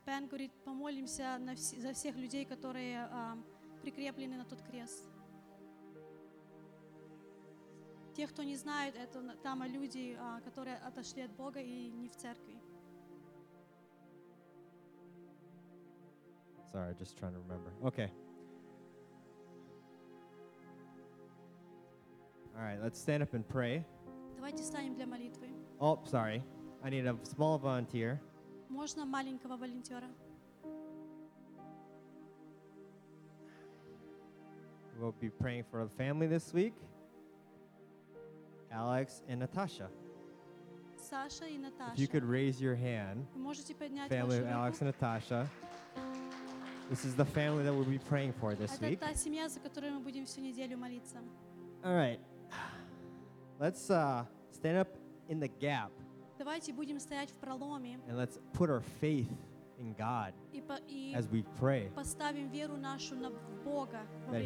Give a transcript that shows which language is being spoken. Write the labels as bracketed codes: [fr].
[ru] Пен говорит, помолимся за всех людей, которые прикреплены на тот крест. Тех, кто не знает, это там люди, которые отошли от Бога и не в церкви. [en] Sorry, just trying to remember. Okay. All right, let's stand up and pray. [ru] Давайте встанем для молитвы. [en] Oh, sorry. I need a small volunteer. [ru] Можно маленького волонтера? [en] We'll be praying for the family this week. Alex and Natasha. [ru] Саша и Наташа. [en] If you could raise your hand. [ru] Можете поднять [en] family of Alex and Natasha. This is the family that we'll be praying for this [ru] Это [en] week. [ru] Это та семья, за которую мы будем всю неделю молиться. [en] All right. Let's stand up in the gap. [ru] Давайте будем стоять в проломе. [en] And let's put our faith in God [ru] и [en] as we pray. [ru] Поставим веру нашу на Бога во время